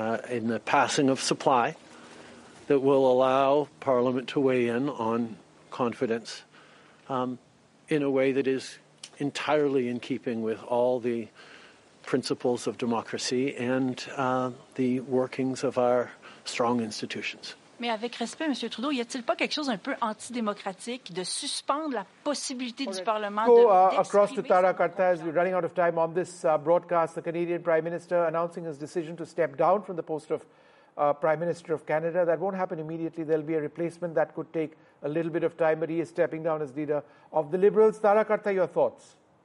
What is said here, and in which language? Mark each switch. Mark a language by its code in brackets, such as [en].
[en] In the passing of supply that will allow Parliament to weigh in on confidence, in a way that is entirely in keeping with all the principles of democracy and the workings of our strong institutions. [fr] Mais avec respect, M. Trudeau, y a-t-il pas quelque chose d'un peu antidémocratique de suspendre la possibilité du Parlement [en] go, [fr] de [en] across to Tara Cartes, we're running out of time on this broadcast. The Canadian Prime Minister announcing his decision to step down from the post of Prime Minister of Canada. That won't happen immediately. There'll be a replacement that could take a little bit of time, but he is stepping down as leader of the Liberals. Tara Cartes, your thoughts?